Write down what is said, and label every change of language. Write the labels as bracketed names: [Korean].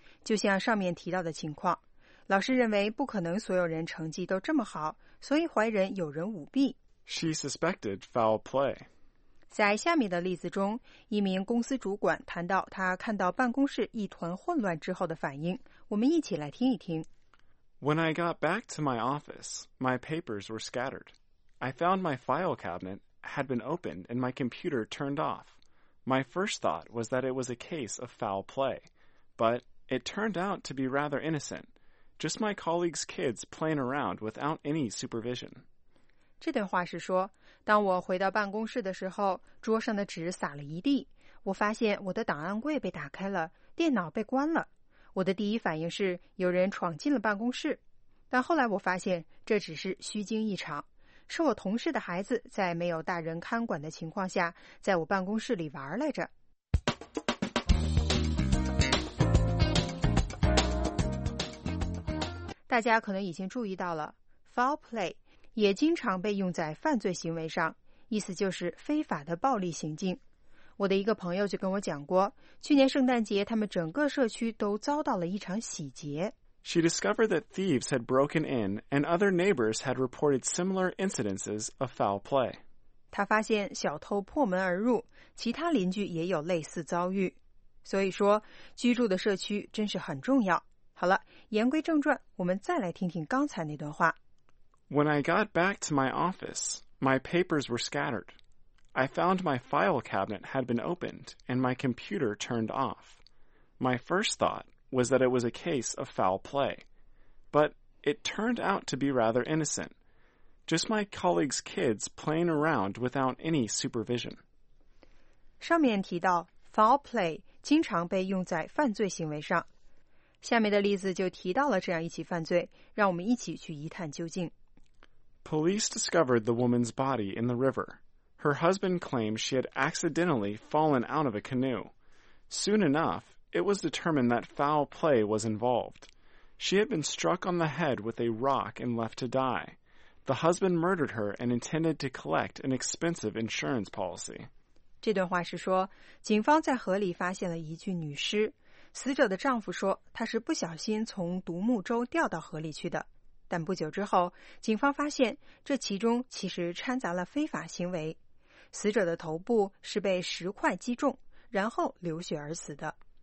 [Chinese] 就像上面提到的情况，老师认为不可能所有人成绩都这么好，所以怀人有人舞弊。 [English] She suspected foul play. [Chinese] 在下面的例子中，一名公司主管谈到他看到办公室一团混乱之后的反应，我们一起来听一听。 [English] When I got back to my office, my papers were scattered. I found my file cabinet had been opened and my computer turned off. My first thought was that it was a case of foul play, but it turned out to be rather innocent, just my colleagues' kids playing around without any supervision. [Chinese] 这段话是说，当我回到办公室的时候，桌上的纸撒了一地，我发现我的档案柜被打开了，电脑被关了。我的第一反应是有人闯进了办公室，但后来我发现这只是虚惊一场，是我同事的孩子在没有大人看管的情况下在我办公室里玩来着。大家可能已经注意到了， foul play 也经常被用在犯罪行为上，意思就是非法的暴力行径。我的一个朋友就跟我讲过，去年圣诞节他们整个社区都遭到了一场洗劫。 [English] She discovered that thieves had broken in and other neighbors had reported similar incidences of foul play. [Chinese] 她发现小偷破门而入，其他邻居也有类似遭遇。所以说居住的社区真是很重要。好了，言归正传，我们再来听听刚才那段话。 [English] When I got back to my office, my papers were scatteredI found my file cabinet had been opened and my computer turned off. My first thought was that it was a case of foul play, but it turned out to be rather innocent. Just my colleague's kids playing around without any supervision. [Chinese] 上面提到 foul play 经常被用在犯罪行为上。下面的例子就提到了这样一起犯罪，让我们一起去一探究竟。 [English] Police discovered the woman's body in the river. Her husband claimed she had accidentally fallen out of a canoe. Soon enough, it was determined that foul play was involved. She had been struck on the head with a rock and left to die. The husband murdered her and intended to collect an expensive insurance policy. [Chinese] 这段话是说，警方在河里发现了一具女尸。死者的丈夫说，他是不小心从独木舟掉到河里去的。但不久之后，警方发现这其中其实掺杂了非法行为。死者的头部是被石块击中，然后流血而死的。